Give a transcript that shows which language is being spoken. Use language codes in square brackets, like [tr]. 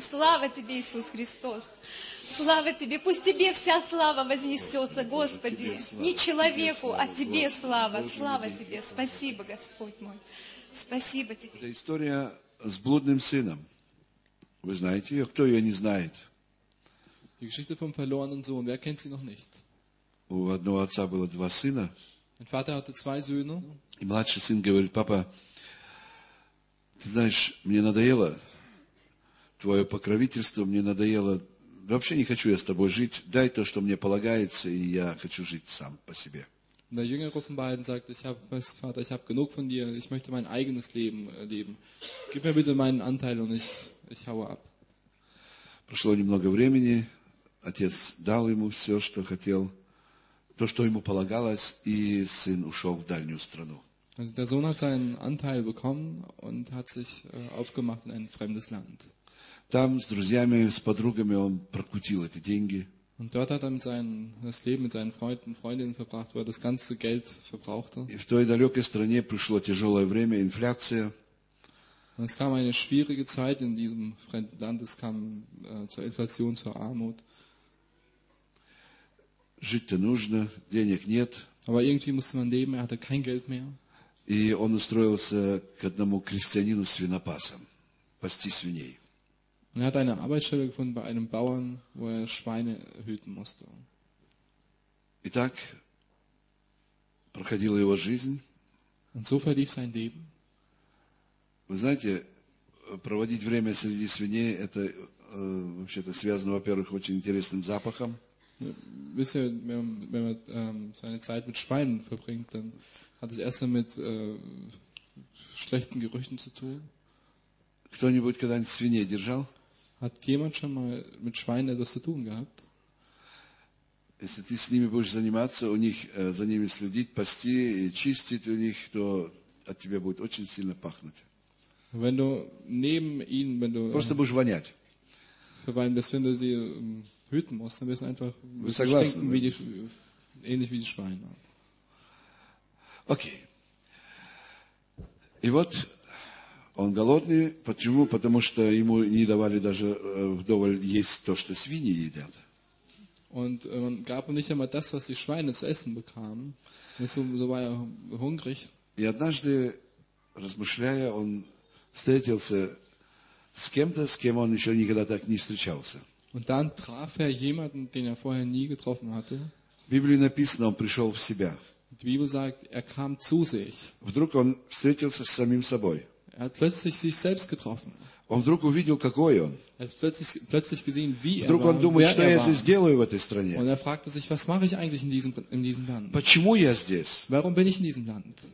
[ru] Слава тебе, Иисус Христос. Слава тебе, пусть тебе вся слава вознесется, Господи, не человеку, а тебе слава, слава тебе, спасибо, Господь мой, спасибо тебе. Это история с блудным сыном, вы знаете ее, кто ее не знает? [de] Die Geschichte vom verlorenen Sohn, wer kennt sie noch nicht? [ru] У одного отца было два сына. [de] Ein Vater hatte zwei Söhne. [ru] И младший сын говорит: папа, ты знаешь, мне надоело твое покровительство, мне надоело... Вообще не хочу я с тобой жить. Дай то, что мне полагается, и я хочу жить сам по себе. [de] Der jüngere von beiden sagt: Ich habe, weißt du, Vater, ich habe genug von dir. Ich möchte mein eigenes Leben leben. Gib mir bitte meinen Anteil und ich haue ab. [ru] Прошло немного времени. Отец дал ему все, что хотел, то, что ему полагалось, и сын ушел в дальнюю страну. [de] Also der Sohn hat seinen Anteil bekommen und hat sich aufgemacht in ein fremdes Land. [ru] Там с друзьями, с подругами он прокутил эти деньги. [de] Und dort hat er mit seinen, das Leben mit seinen Freunden, Freundinnen verbracht, wo er das ganze Geld verbrauchte. [ru] И в той далекой стране пришло тяжелое время, инфляция. [de] Und es kam eine schwierige Zeit in diesem fremden Land, es kam zur Inflation, zur Armut. [ru] Жить-то нужно, денег нет. [de] Aber irgendwie musste man leben, er hatte kein Geld mehr. [ru] И он устроился к одному крестьянину свинопасом, пасти свиней. [de] Und er hat eine Arbeitsstelle gefunden bei einem Bauern, wo er Schweine hüten musste. [ru] Итак, проходила его жизнь. [de] Und so verlief sein Leben. [ru] Вы знаете, проводить время среди свиней, это вообще-то связано, во-первых, очень интересным запахом. [de] Wisst ihr, wenn man seine Zeit mit Schweinen verbringt, dann hat es erst mit schlechten Gerüchen zu tun. [ru] Кто-нибудь когда-нибудь свиней держал? [de] Hat jemand schon mal mit Schweinen etwas zu tun gehabt? [ru] Если ты с ними будешь заниматься, у них за ними следить, пасти и чистить у них, то от тебя будет очень сильно пахнуть. [de] Wenn du neben ihnen, wenn du [ru] просто будешь вонять. [de] Weil das, wenn du sie hüten musst, dann wirst du einfach stinken wie die, ähnlich wie die Schweine. [en] Okay. [ru] И вот. Он голодный. Почему? Потому что ему не давали даже вдоволь есть то, что свиньи едят. [de] Und man gab ihm nicht einmal das, was die Schweine zu essen bekamen. So war er hungrig. [ru] И однажды, размышляя, он встретился с кем-то, с кем он еще никогда так не встречался. [de] Und dann traf er jemanden, den er vorher nie getroffen hatte. [ru] В Библии написано, он пришел в себя. [de] Die Bibel sagt, er kam zu sich. [ru] Вдруг он встретился с самим собой. [de] Er hat plötzlich sich selbst getroffen. Er hat plötzlich gesehen, wie er war, wer er war. Und er fragte sich, was mache ich eigentlich in diesem Land? Warum bin ich in diesem Land?